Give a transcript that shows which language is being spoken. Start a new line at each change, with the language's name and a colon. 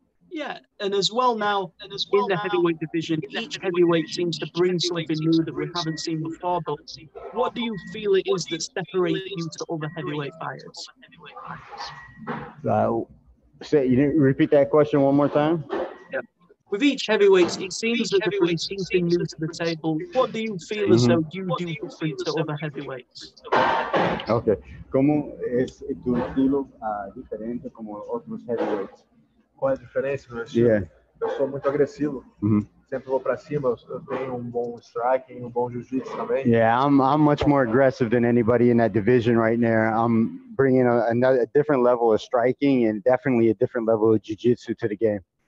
English: Yeah, and as well now, in the heavyweight division, each heavyweight seems to bring something new that we haven't seen before, but what do you feel it is that separates you to other heavyweight fighters? You didn't repeat that question one more time? Yeah. With each heavyweight, it seems that the pretty seems to move to the table. What do you feel as though you do different to other heavyweights? Okay.
Spanish: ¿Cómo es tu estilo diferente como otros heavyweights?
Portuguese: Qual é a diferença, meu estilo? Yeah. Eu sou muito agressivo. Sempre vou para cima, eu tenho bom striking, bom jiu-jitsu também.
English: Yeah, I'm much more aggressive than anybody in that division right now. I'm bringing a different level of striking and definitely a different level of jiu-jitsu to the game.